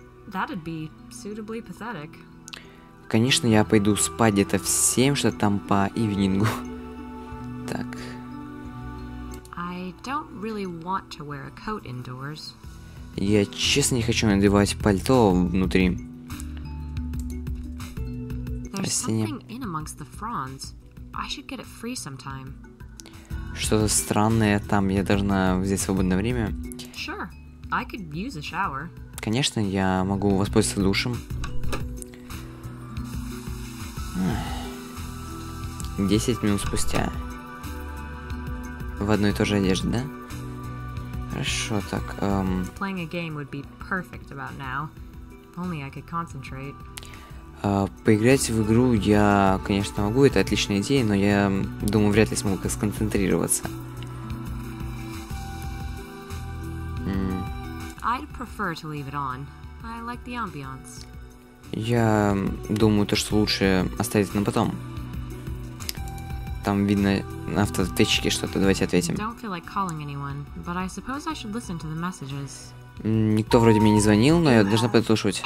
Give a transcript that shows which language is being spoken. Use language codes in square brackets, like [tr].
[en] That'd be suitably pathetic. [ru] Конечно, я пойду спать где-то в 7, что там по ивенингу. Так. [en] I don't really want to wear a coat indoors. [ru] Я честно не хочу надевать пальто внутри. [en] There's something in amongst the fronds. I should get it free sometime. [ru] Что-то странное там, я должна взять свободное время. [en] Sure, I could use a shower. [ru] Конечно, я могу воспользоваться душем. 10 минут спустя. В одной и той же одежде, да? Хорошо, так. [en] Playing a game would be perfect about now. If only I could concentrate. [ru] Поиграть в игру я, конечно, могу, это отличная идея, но я думаю, вряд ли смогу сконцентрироваться. [en] I'd prefer to leave it on. I like the ambiance. [ru] Я думаю, то, что лучше оставить на потом. Там видно на автоответчике что-то. Давайте ответим. [en] Don't feel like calling anyone, but I suppose I should listen to the messages. [ru] Никто вроде мне не звонил, но я должна подслушивать.